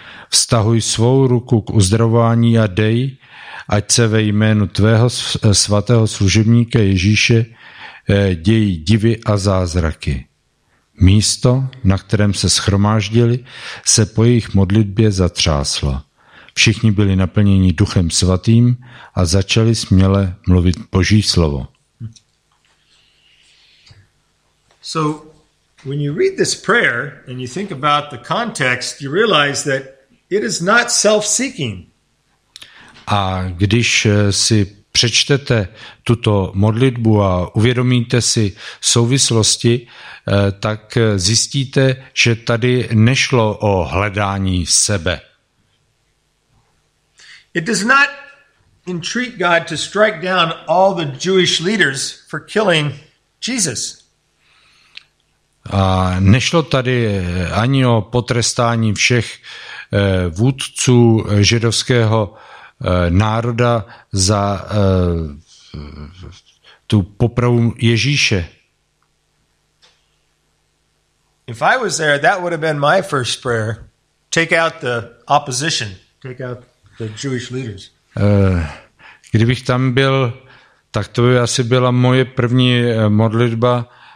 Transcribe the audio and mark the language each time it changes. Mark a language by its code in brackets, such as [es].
[cs] Vztahuj svou ruku k uzdravování a dej, ať se ve jménu tvého svatého služebníka Ježíše dějí divy a zázraky. Místo, na kterém se shromáždili, se po jejich modlitbě zatřáslo. Všichni byli naplněni Duchem Svatým a začali směle mluvit Boží slovo. [en] So, when you read this prayer and you think about the context, you realize that it is not self-seeking. [cs] A když si přečtete tuto modlitbu a uvědomíte si souvislosti, tak zjistíte, že tady nešlo o hledání sebe. [en] It does not entreat God to strike down all the Jewish leaders for killing Jesus. [cs] A nešlo tady ani o potrestání všech vůdců židovského národa za tu popravu Ježíše. [en] If I was there, that would have been my first prayer. Take out the opposition. Take out the Jewish leaders. [cs] Kdybych tam byl, tak to by asi byla moje první modlitba.